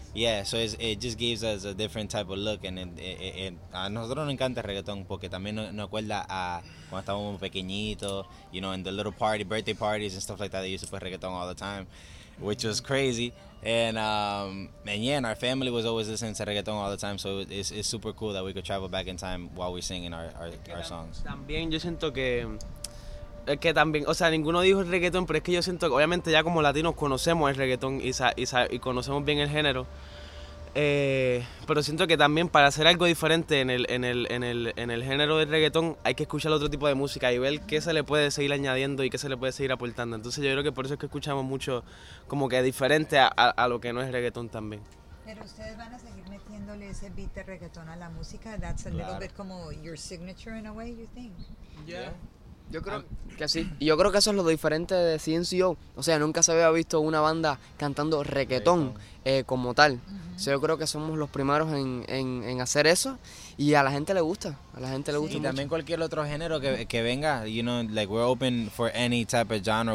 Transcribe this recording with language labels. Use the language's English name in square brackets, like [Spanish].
[English] It just gives us a different type of look. And [Spanish] a nosotros nos encanta el reggaeton porque también nos acuerda a cuando estábamos pequeñitos, [English] you know, in the little birthday parties and stuff like that. They used to put reggaeton all the time, which was crazy. And our family was always listening to reggaeton all the time. So it's super cool that we could travel back in time while we're singing our songs. [Spanish] También yo siento que... Es que también, o sea, ninguno dijo el reggaetón, pero es que yo siento que obviamente ya como latinos conocemos el reggaetón y conocemos bien el género. Pero siento que también para hacer algo diferente en el género del reggaetón hay que escuchar otro tipo de música y ver qué se le puede seguir añadiendo y qué se le puede seguir aportando. Entonces yo creo que por eso es que escuchamos mucho como que diferente a lo que no es reggaetón también. Pero ustedes van a seguir metiéndole ese beat de reggaetón a la música. [English] That's a little bit [Spanish] como [English] your signature in a way, you think? Yeah. [Spanish] Yo creo que sí. Y yo creo que eso es lo diferente de CNCO. O sea, nunca se había visto una banda cantando reggaetón como tal. Uh-huh. O sea, yo creo que somos los primeros en hacer eso. Y a la gente le gusta. A la gente le gusta mucho. Y también cualquier otro género que venga. [English] You know, like we're open for any type of genre.